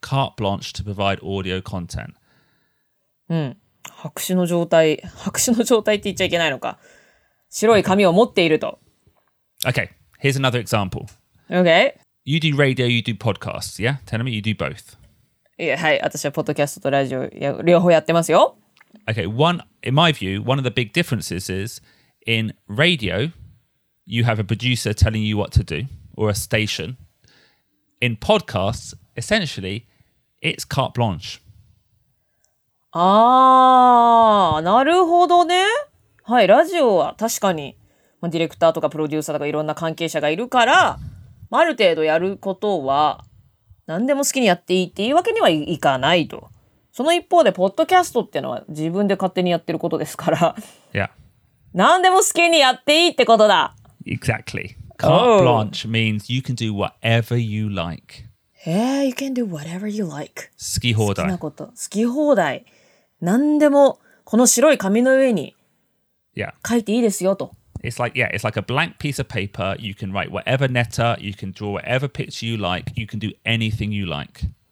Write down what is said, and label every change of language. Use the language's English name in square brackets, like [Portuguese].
[English] Carte blanche to provide audio content. [Japanese] うん。白紙の状態、白紙の状態って言っちゃいけないのか。白い紙を持っていると。 [English] Okay, here's another example. Okay. You do radio, you do podcasts, yeah? Tell me you do both. [Japanese] Yeah, はい、私はポッドキャストとラジオ両方やってますよ。 [English] Okay, one, in my view, one of the big differences is in radio, you have a producer telling you what to do, or a station. In podcasts, essentially, It's carte blanche. [Japanese] Ah, なるほどね。はい、ラジオは確かに、まあ、ディレクターとかプロデューサーとかいろんな関係者がいるから、まあ、ある程度やることは何でも好きにやっていいっていうわけにはいかないと。その一方でポッドキャストっていうのは自分で勝手にやってることですから。 [English] Yeah. [Japanese] 何でも好きにやっていいってことだ。 [English] Exactly. Carte blanche means you can do whatever you like. Hey, you can do whatever you like. [Japanese] 好き放題。好きなこと。好き放題。何でもこの白い紙の上に書いていいですよと。 [English] It's like, yeah, it's like a blank piece of paper. You can write whatever letter, you can draw whatever picture you like, you can do anything you like.